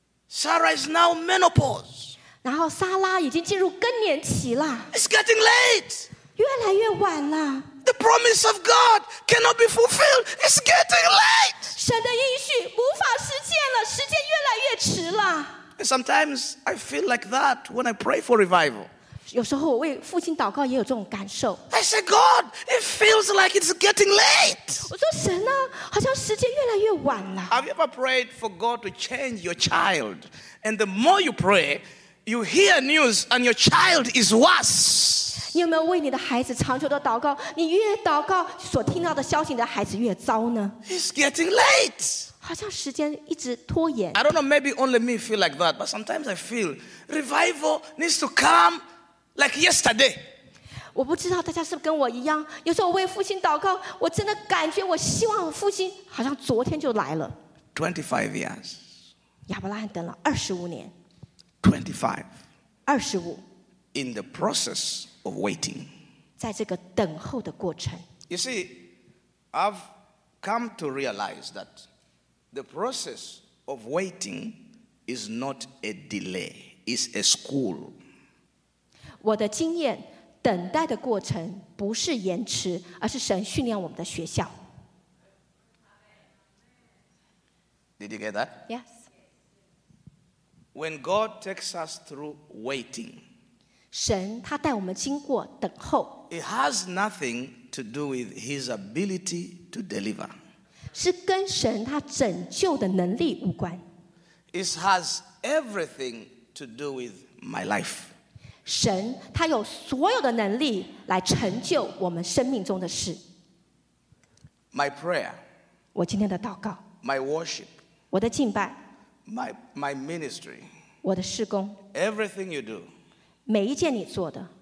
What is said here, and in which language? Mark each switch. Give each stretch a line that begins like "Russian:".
English: Sarah is now menopause.
Chinese: 然后莎拉已经进入更年期了。
English: It's getting late.
Chinese: 越来越晚了。
English: The promise of God cannot be fulfilled. It's getting late.
Chinese: 神的应许无法实现了，时间越来越迟了。
English: Sometimes I feel like that when I pray for revival.
Chinese: 有时候我为父亲祷告也有这种感受。
English: I say, God, it feels like it's getting late.
Chinese: 我说神啊，好像时间越来越晚了。
English: Have you ever prayed for God to change your child? And the more you pray, you hear news and your child is worse.
Chinese: 你有没有为你的孩子长久的祷告？你越祷告，所听到的消息，你的孩子越糟呢
English: ？It's getting late.
Chinese: 好像时间一直拖延。
English: I don't know. Maybe only me feel like that, but sometimes I feel revival needs to come like yesterday.
Chinese: 我不知道大家是不是跟我一样，有时候我为父亲祷告，我真的感觉我希望父亲好像昨天就来了。
English: 25 years.
Chinese: 亚伯拉罕等了二十五年。
English: 25.
Chinese: 二十五。
English: In the process. Of waiting.
Chinese: 在这个等候的过程。
English: You see, I've come to realize that the process of waiting is not a delay, it's a school.
Chinese: 我的经验，等待的过程不是延迟，而是神训练我们的学校。
English: Did you get that? Yes. When God takes us through waiting,
Chinese: 神他带我们经过等候。
English: It has nothing to do with his ability to deliver.
Chinese: 是跟神他拯救的能力无关。
English: It has everything to do with my life.
Chinese: 神他有所有的能力来成就我们生命中的事。
English: My prayer.
Chinese: 我今天的祷告。
English: My worship.
Chinese: 我的敬拜。
English: My ministry.
Chinese: 我的事工。
English: Everything you do.
Chinese: 每一件你做的